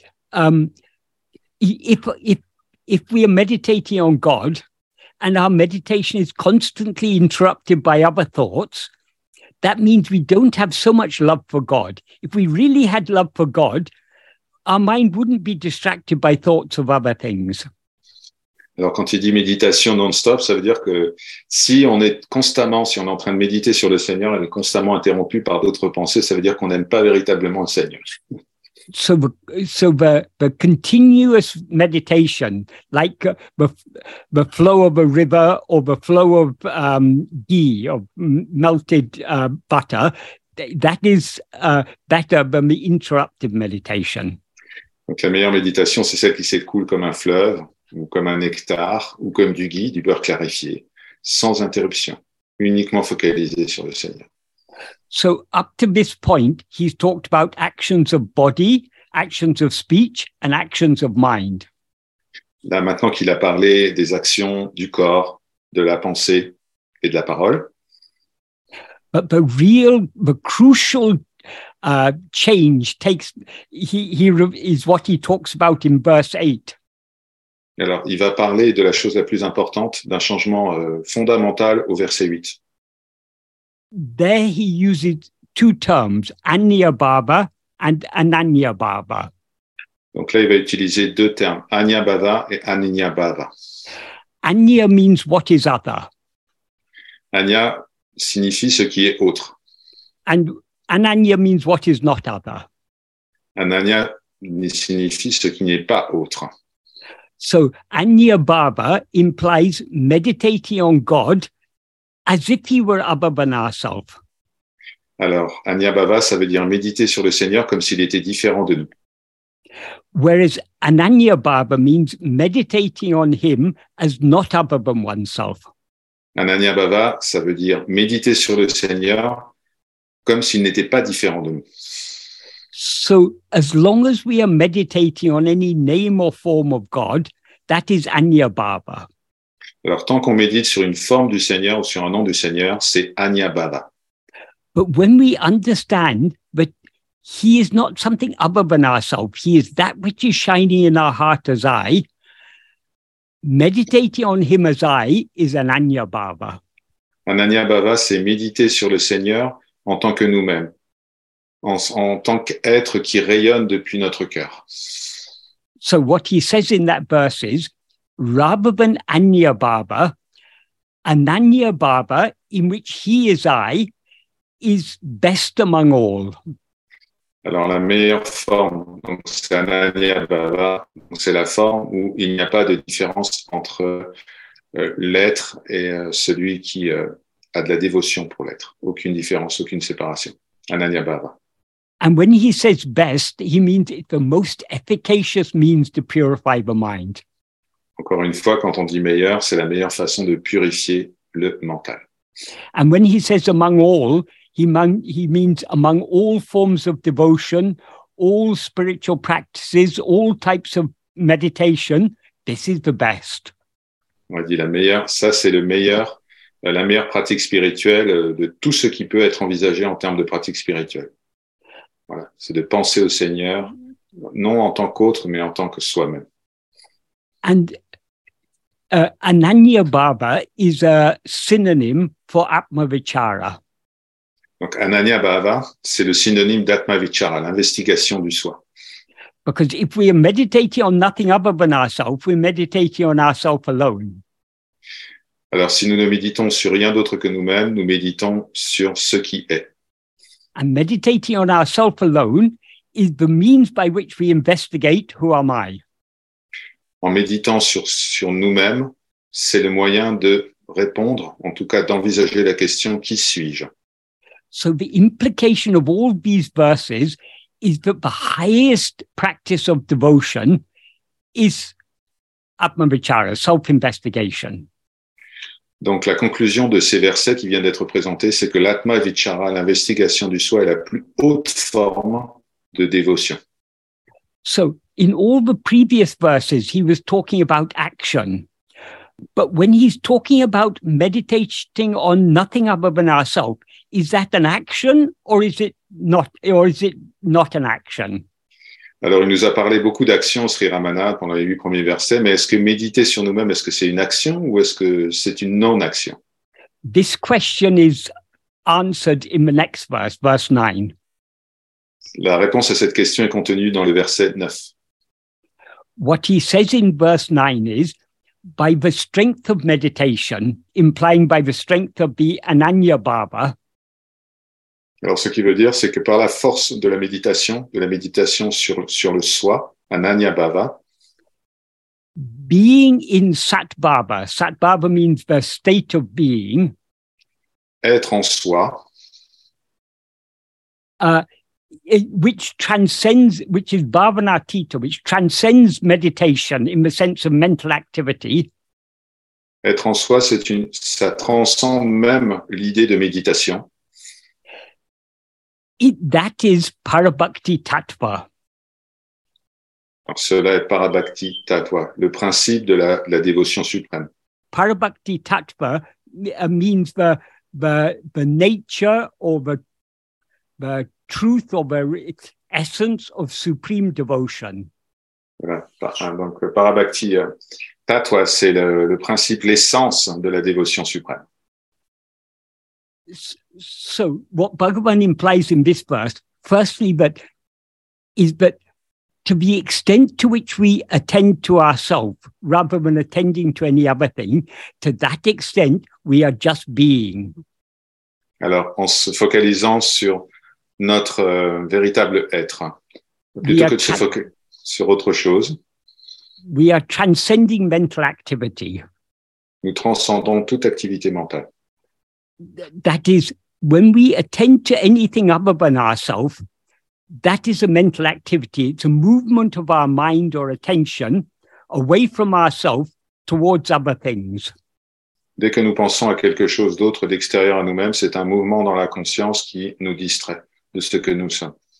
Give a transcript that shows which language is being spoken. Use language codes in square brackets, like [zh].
[en] If we are meditating on God and our meditation is constantly interrupted by other thoughts, that means we don't have so much love for God. If we really had love for God, our mind wouldn't be distracted by thoughts of other things. [fr] Alors quand il dit méditation non-stop, ça veut dire que si on est en train de méditer sur le Seigneur et constamment interrompu par d'autres pensées, ça veut dire qu'on n'aime pas véritablement le Seigneur. [en] So the continuous meditation, like the flow of a river or the flow of ghee, of melted butter, that is better than the interrupted meditation. [fr] Donc la meilleure méditation, c'est celle qui s'écoule comme un fleuve, ou comme un nectar, ou comme du ghee, du beurre clarifié, sans interruption, uniquement focalisée sur le Seigneur. [en] So up to this point, he's talked about actions of body, actions of speech, and actions of mind. [fr] Là, maintenant qu'il a parlé des actions du corps, de la pensée et de la parole. [en] But the real, the crucial change takes, is what he talks about in verse 8. [fr] Alors, il va parler de la chose la plus importante, d'un changement fondamental au verset 8. [en] There he uses two terms, Anyabhava and Ananyabhava. [fr] Donc là, il va utiliser deux termes, Anyabhava et Ananyabhava. [en] Anya means what is other. [fr] Anya signifie ce qui est autre. [en] And Ananya means what is not other. [fr] Ananya signifie ce qui n'est pas autre. [en] So Anyabhava implies meditating on God as if he were other than ourselves. [fr] Alors, Anyabhava, ça veut dire méditer sur le Seigneur comme s'il était différent de nous. [en] Whereas Ananyabhava means meditating on him as not other than oneself. [fr] Ananyabhava, ça veut dire méditer sur le Seigneur comme s'il n'était pas différent de nous. [en] So, as long as we are meditating on any name or form of God, that is Anyabhava. [fr] Alors, tant qu'on médite sur une forme du Seigneur ou sur un nom du Seigneur, c'est Anyabhava. [en] But when we understand that he is not something other than ourselves, he is that which is shining in our heart as I, meditating on him as I is an Anyabhava. [fr] Un Anyabhava, c'est méditer sur le Seigneur en tant que nous-mêmes, en tant qu'être qui rayonne depuis notre cœur. [en] So what he says in that verse is, rather than Anyabhava, Ananyabhava, in which he is I, is best among all. [fr] Alors la meilleure forme, donc c'est Ananyabhava, donc c'est la forme où il n'y a pas de différence entre l'être et celui qui a de la dévotion pour l'être. Aucune différence, aucune séparation. Ananyabhava. [en] And when he says best, he means it's the most efficacious means to purify the mind. [fr] Encore une fois, quand on dit meilleur, c'est la meilleure façon de purifier le mental. [en] And when he says among all, he means among all forms of devotion, all spiritual practices, all types of meditation, this is the best. [fr] On dit la meilleure, ça c'est le meilleur, la meilleure pratique spirituelle de tout ce qui peut être envisagé en termes de pratique spirituelle. Voilà, c'est de penser au Seigneur, non en tant qu'autre, mais en tant que soi-même. [en] And Ananyabhava is a synonym for Atmavichara. [fr] Donc Ananyabhava, c'est le synonyme d'Atmavichara, l'investigation du soi. [en] Because if we are meditating on nothing other than ourselves, we're meditating on ourselves alone. [fr] Alors si nous ne méditons sur rien d'autre que nous-mêmes, nous méditons sur ce qui est. [en] And meditating on ourselves alone is the means by which we investigate who am I. [fr] En méditant sur nous-mêmes, c'est le moyen de répondre, en tout cas d'envisager la question « Qui suis-je ?» [en] So the implication of all these verses is that the highest practice of devotion is Atmavichara, self-investigation. [fr] Donc la conclusion de ces versets qui viennent d'être présentés, c'est que l'Atmavichara, l'investigation du soi, est la plus haute forme de dévotion. [en] So, in all the previous verses, he was talking about action. But when he's talking about meditating on nothing other than ourselves, is that an action or is it not an action? [fr] Alors, il nous a parlé beaucoup d'action, Sri Ramana, pendant les 8 premiers versets, mais est-ce que méditer sur nous-mêmes, est-ce que c'est une action ou est-ce que c'est une non-action? [en] This question is answered in the next verse, verse 9. [fr] La réponse à cette question est contenue dans le verset 9. [en] What he says in verse 9 is, by the strength of meditation, implying by the strength of the Ananyabhava. [fr] Alors, ce qu'il veut dire, c'est que par la force de la méditation sur le soi, Ananyabhava. [en] Being in Satbhava. Satbhava means the state of being. [fr] Être en soi. [en] Which is bhavanatita, which transcends meditation in the sense of mental activity. [fr] Être en soi, ça transcende même l'idée de méditation. [en] that is parabhakti tattva. [fr] Alors cela est parabhakti tattva, le principe de la dévotion suprême. [en] Parabhakti tattva means the nature or the truth or the essence of supreme devotion. [fr] Donc parabhakti tattva, c'est le principe, l'essence de la dévotion suprême. [en] So what Bhagavan implies in this verse, firstly, that to the extent to which we attend to ourselves rather than attending to any other thing, to that extent we are just being. [fr] Alors, en se focalisant sur notre véritable être, plutôt que de se focaliser sur autre chose, [en] we are transcending mental activity. [fr] Nous transcendons toute activité mentale. [en] That is, when we attend to anything other than ourselves, that is a mental activity. It's a movement of our mind or attention away from ourselves towards other things. [fr] Dès que nous pensons à quelque chose d'autre, d'extérieur à nous-mêmes, c'est un mouvement dans la conscience qui nous distrait de ce que nous sommes.